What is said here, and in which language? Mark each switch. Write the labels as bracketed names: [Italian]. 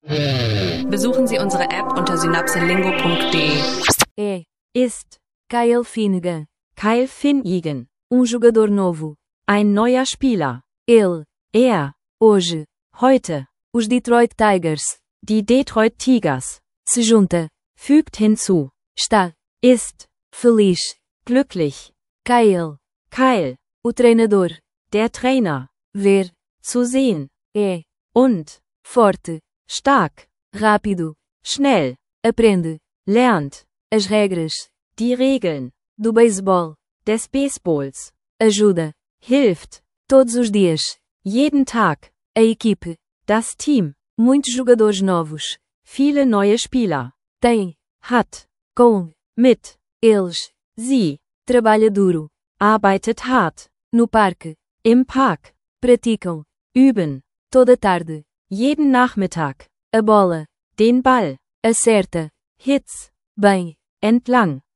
[German] Besuchen Sie unsere App unter synapselingo.de. [Portuguese] É, [German] ist, [Portuguese] Kyle Finnegan. Kyle Finnegan, jogador novo. [German] Ein neuer Spieler. [Portuguese] Ele, [German] er, [Portuguese] hoje, [German] heute. [Portuguese] Os Detroit Tigers, [German] die Detroit Tigers. [Portuguese] Se junta, [German] fügt hinzu. [Portuguese] Está, [German] ist, [Portuguese] feliz, [German] glücklich. [Portuguese] Kyle, o treinador. [German] Der Trainer, [Portuguese] ver, [German] zu sehen. [Portuguese] É, [German] und, [Portuguese] forte, [German] stark, [Portuguese] rápido, [German] schnell. [Portuguese] Aprende, [German] lernt, [Portuguese] as regras. [German] Die Regeln, [Portuguese] do Baseball, [German] des Baseballs. [Portuguese] Ajuda, [German] hilft, [Portuguese] todos os dias, [German] jeden Tag. [Portuguese] A equipe, [German] das Team, [Portuguese] muitos jogadores novos. [German] Viele neue Spieler, [Portuguese] tem, [German] hat, [Portuguese] com, [German] mit, [Portuguese] eles, [German] sie. [Portuguese] Trabalha duro, [German] arbeitet hart, [Portuguese] no parque, [German] im Park. [Portuguese] Praticam, [German] üben, [Portuguese] toda tarde, [German] jeden Nachmittag. [Portuguese] A bola, [German] den Ball, [Portuguese] acerta, [English] hits, [Portuguese] bem, [German] entlang.